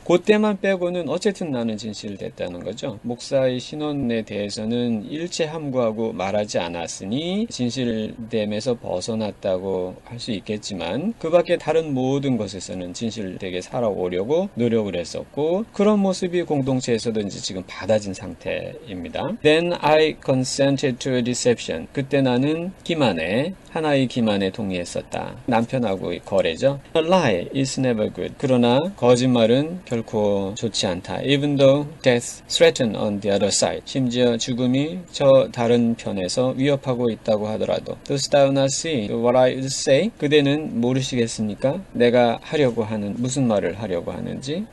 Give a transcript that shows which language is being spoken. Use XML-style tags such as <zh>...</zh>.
<ko>그때만 빼고는 어쨌든 나는 진실이 됐다는 거죠. 목사의 신원에 대해서는 일체 함구하고 말하지 않았으니 진실됨에서 벗어났다고 할수 있겠지만 그 밖에 다른 모든 것에서는 진실되게 살아오려고 노력을 했었고 그런 모습이 공동체에서도 이제 지금 받아진 상태입니다.</ko> <en>Then I consented to a deception.</en> <ko>그때 나는 기만에 하나의 기만에 동의했었다. 남편하고의 거래죠.</ko> <en>A lie is never good.</en> <ko>그러나 거짓말은 결코 좋지 않다.</ko> <en>Even though death threatened on the other side.</en> <ko>심지어 죽음이 저 다른 편에서 위협하고 있다고 하더라도.</ko> <en>Dost thou not see what I say?</en> <ko>그대는 모르시겠습니까? 내가 하려고 하는, 무슨 말을 하려고 하는지.</ko>